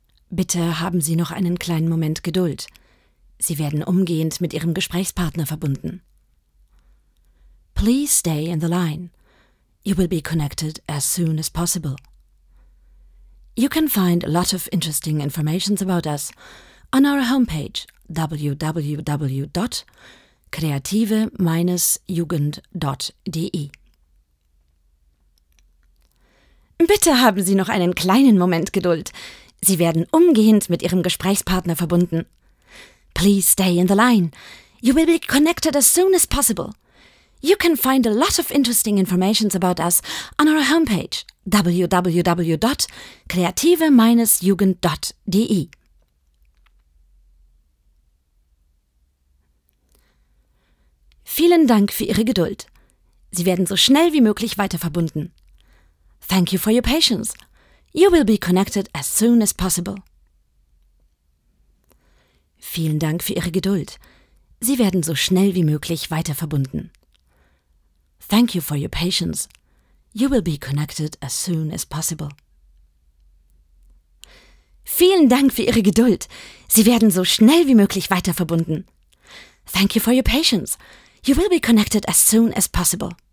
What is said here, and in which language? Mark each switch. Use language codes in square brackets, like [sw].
[de] Bitte haben Sie noch einen kleinen Moment Geduld. Sie werden umgehend mit Ihrem Gesprächspartner verbunden. [en] Please stay in the line. You will be connected as soon as possible. You can find a lot of interesting information about us on our homepage www.kreative-jugend.de. [de] Bitte haben Sie noch einen kleinen Moment Geduld. Sie werden umgehend mit Ihrem Gesprächspartner verbunden. [en] Please stay in the line. You will be connected as soon as possible. You can find a lot of interesting information about us on our homepage www.kreative-jugend.de. [de] Vielen Dank für Ihre Geduld. Sie werden so schnell wie möglich weiter verbunden. [en] Thank you for your patience. You will be connected as soon as possible. [de] Vielen Dank für Ihre Geduld. Sie werden so schnell wie möglich weiter verbunden. [en] Thank you for your patience. You will be connected as soon as possible. [de] Vielen Dank für Ihre Geduld. Sie werden so schnell wie möglich weiter verbunden. [en] Thank you for your patience. You will be connected as soon as possible.